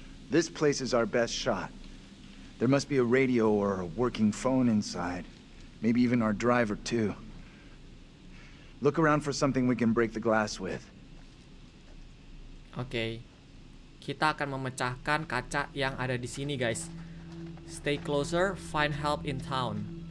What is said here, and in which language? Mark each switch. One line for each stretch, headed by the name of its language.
English: This place is our best shot. There must be a radio or a working phone inside. Maybe even our driver too. Look around for something we can break the glass with. Okay.
Indonesian: Kita akan memecahkan kaca yang ada di sini, guys.
English: Stay closer, find help in town.